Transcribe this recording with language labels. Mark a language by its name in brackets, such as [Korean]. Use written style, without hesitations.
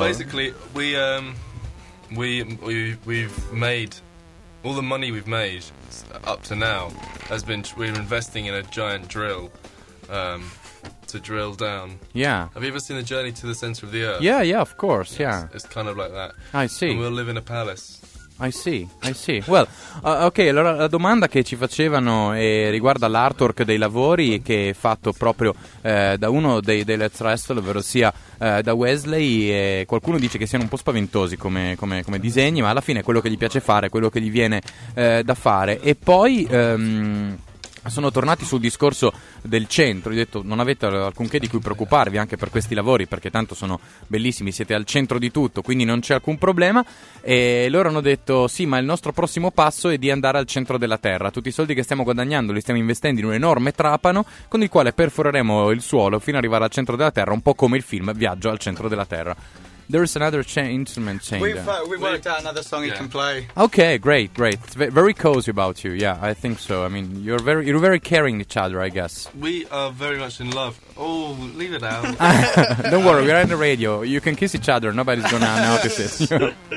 [English] Well, basically, we've made all the money we've made up to now has been we're investing in a giant drill. To drill down. Yeah. Have you ever seen The Journey to the Center of the Earth? Yeah, of course, yes, yeah. It's kind of like that. I see. And we'll live in a palace. I see. [Italian] Well, ok, allora la domanda che ci facevano riguarda l'artwork dei lavori che è fatto proprio da uno dei Let's Wrestle, ovvero sia da Wesley, e qualcuno dice che siano un po' spaventosi come disegni, ma alla fine è quello che gli piace fare, quello che gli viene da fare. E poi... sono tornati sul discorso del centro, ho detto non avete alcunché di cui preoccuparvi anche per questi lavori, perché tanto sono bellissimi, siete al centro di tutto, quindi non c'è alcun problema. E loro hanno detto sì, ma il nostro prossimo passo è di andare al centro della Terra. Tutti i soldi che stiamo guadagnando li stiamo investendo in un enorme trapano con il quale perforeremo il suolo fino ad arrivare al centro della Terra, un po' come il film Viaggio al centro della Terra. [English] There is another instrument change. We've worked out another song you can play. Okay, great. Very cozy about you. Yeah, I think so. I mean, you're very caring each other, I guess. We are very much in love. Oh, leave it out. Don't worry, we're on the radio. You can kiss each other. Nobody's going to notice it.